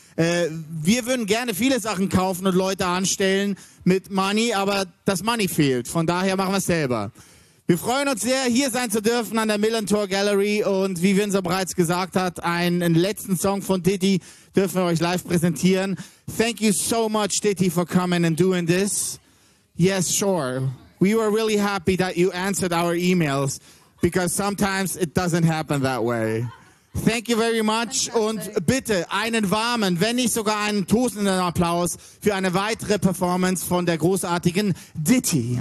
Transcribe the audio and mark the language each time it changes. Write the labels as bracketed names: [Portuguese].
[German] Wir würden gerne viele Sachen kaufen und Leute anstellen mit Money, aber das Money fehlt. Von daher machen wir es selber. Wir freuen uns sehr, hier sein zu dürfen an der Millantor Gallery und wie Vincent bereits gesagt hat, einen letzten Song von Diddy dürfen wir euch live präsentieren. [English] Thank you so much, Diddy, for coming and doing this. Yes, sure. We were really happy that you answered our emails because sometimes it doesn't happen that way. Thank you very much. Fantastic. [German] Und bitte einen warmen, wenn nicht sogar einen tosenden Applaus für eine weitere Performance von der großartigen Ditty.